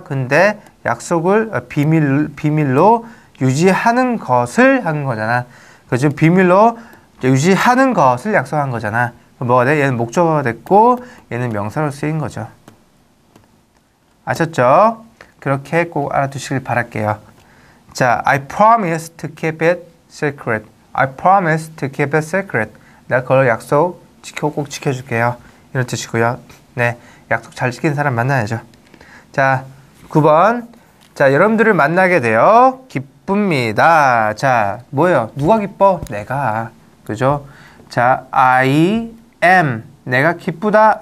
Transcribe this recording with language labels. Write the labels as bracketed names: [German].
[Korean] 근데 약속을 비밀로 유지하는 것을 한 거잖아. 그죠? 비밀로 유지하는 것을 약속한 거잖아. 뭐가 돼? 얘는 목적어가 됐고, 얘는 명사로 쓰인 거죠. 아셨죠? 그렇게 꼭 알아두시길 바랄게요. [English] 자, I promise to keep it secret. I promise to keep it secret. [Korean] 내가 그걸 약속 지켜 꼭 지켜줄게요. 이런 뜻이고요. 네. 약속 잘 지키는 사람 만나야죠. 자, 9번. 자, 여러분들을 만나게 되어 기쁩니다. 자, 뭐예요? 누가 기뻐? 내가. 그죠? 자, [English] I am. [Korean] 내가 기쁘다.